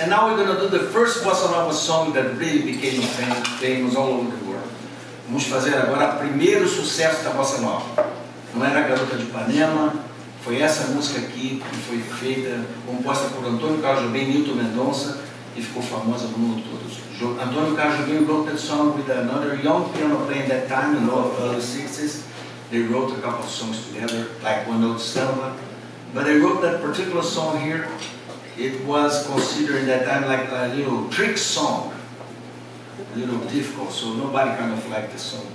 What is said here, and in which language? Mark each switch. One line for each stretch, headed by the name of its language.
English: And now we're going to do the first Bossa Nova song that really became famous all over the world.
Portuguese: Vamos fazer agora o primeiro sucesso da Bossa Nova. Não era a Garota de Ipanema. Foi essa música aqui que foi feita, composta por Antônio Carlos Jobim e Milton Mendonça, e ficou famosa no mundo todo.
English: Antônio Carlos Jobim wrote that song with another young piano player in that time, in the early 60s. They wrote a couple of songs together, like One Note Samba. But they wrote that particular song here. It was considered in that time like a little trick song, a little difficult, so nobody kind of liked the song.